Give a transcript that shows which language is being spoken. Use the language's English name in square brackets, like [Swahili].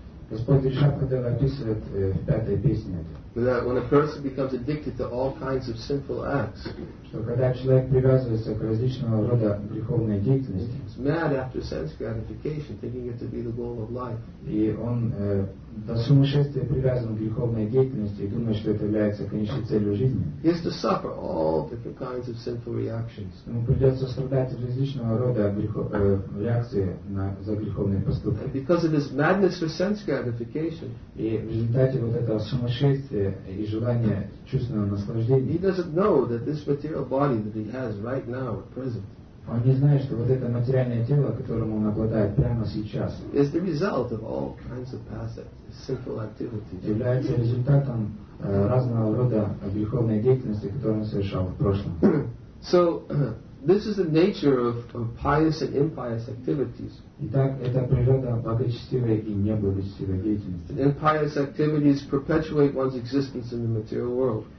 [Russian] Господь Ришабхадева описывает в пятой песне. [English] That when a person becomes addicted to all kinds of sinful acts, [Russian] что когда человек привязывается к различного рода греховной деятельности, [English] he's mad after sense gratification, thinking it to be the goal of life. [Russian] И он до сумасшествия привязан к греховной деятельности и думает, что это является конечной целью жизни. [English] He has to suffer all different kinds of sinful reactions. [Russian] Ему придется страдать различного рода реакции за греховные поступки. [English] Because of this madness for sense gratification, [Russian] и в результате вот этого сумасшествия и желание чувственного наслаждения. [English] He doesn't know that this material body that he has right now at present. [Russian] Он не знает, что вот это материальное тело, которым он обладает прямо сейчас, [English] is the result of all kinds of past sinful activities. [Russian] Является результатом разного рода греховной деятельности, которую он совершал в прошлом. [English] So this is the nature of pious and impious activities. [Russian] Итак, это природа благочестивой и неблагочестивой деятельности. [English] Impious activities perpetuate one's existence in the material world.